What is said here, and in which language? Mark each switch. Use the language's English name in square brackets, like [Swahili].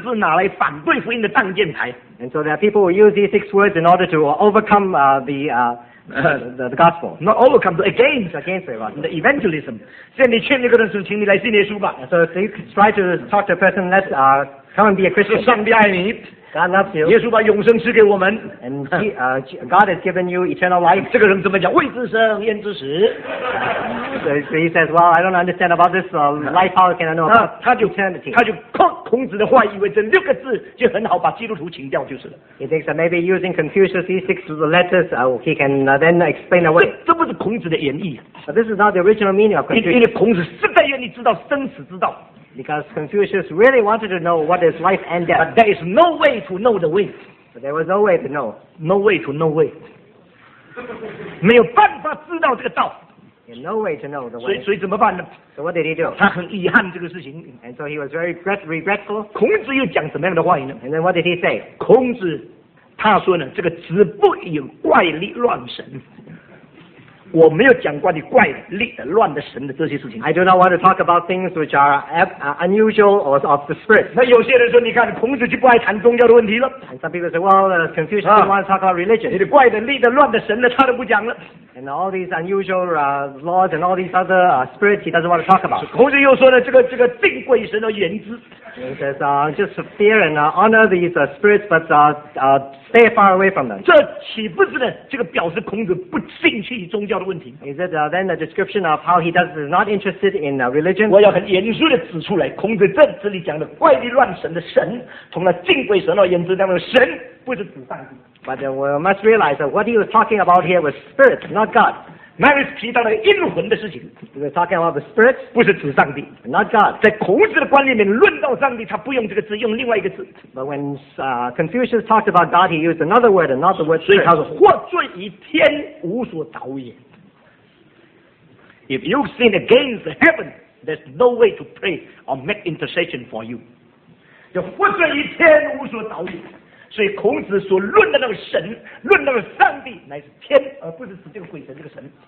[Chinese] 那么现在有许多的人呢，他们就把孔子的六个字拿来反对福音的挡箭牌。 [English] And so there are people who use these six words in order to overcome the gospel. Not overcome, but against the gospel. The evangelism. [Chinese] 现在你劝那个人说，请你来信耶稣吧。 [English] So they try to talk to a person, let's come and be a Christian. [Chinese] 上帝爱你。 [English] God loves you. [Chinese] 耶稣把永生赐给我们。 [English] And God has given you eternal life. [Chinese] 这个人怎么讲？未知生焉知死。 [English] So he says, well, I don't understand about this life, how can I know about eternity? [Chinese] 他就孔子的话，以为这六个字就很好把基督徒请掉就是了。 [English] He thinks that maybe using Confucius these six letters, he can then explain away. [Chinese] 这不是孔子的原意。 [English] But this is not the original meaning of Confucius. [Chinese] 因为孔子实在愿意知道生死之道。 [English] Because Confucius really wanted to know what is life and death. But there is no way to know the way. But there was no way to know. No way to know way. [Chinese] 没有办法知道这个道。 [English] And no way to know the way. [Chinese] 所以怎么办呢？ [English] So what did he do? [Chinese] 他很遗憾这个事情。 [English] And so he was very regretful. [Chinese] 孔子又讲什么样的话语呢？ [English] And then what did he say? [Chinese] 孔子他说呢，这个子不以怪力乱神。我没有讲过你怪力乱的神的这些事情。 [English] I do not want to talk about things which are unusual or of the spirit. [Chinese] 那有些人说，你看孔子就不爱谈宗教的问题了。 [English] And some people say, well, Confucius doesn't want to talk about religion. [Chinese] 你的怪的力的乱的神的他都不讲了。 [English] And all these unusual laws and all these other spirits he doesn't want to talk about. [Chinese] 孔子又说呢，这个敬鬼神而远之。 [English] He says, just fear and honor these spirits, but stay far away from them. [Chinese] 这岂不是呢？这个表示孔子不兴趣宗教的问题。 [English] Is it then a description of how he is not interested in religion? [Chinese] 我要很严肃地指出来，孔子这里讲的怪力乱神的神，同那敬鬼神而言之，那么神不是指上帝。 [English] But we must realize that what he was talking about here was spirits, not God. [Chinese] 那是提到了阴魂的事情。 [English] We're talking about the spirits, [Chinese] 不是指上帝。 [English] Not God. [Chinese] 在孔子的观念里面，论到上帝，他不用这个字，用另外一个字。 [English] But when Confucius talked about God, he used another word, and not the word spirit. [Chinese] 所以他说，或罪于天无所导也。 [English] If you sin against heaven, there's no way to pray or make intercession for you. [Chinese] 就或罪于天无所导也。所以孔子所论的那个神，论的那个上帝，乃是天，而不是指这个鬼神这个神。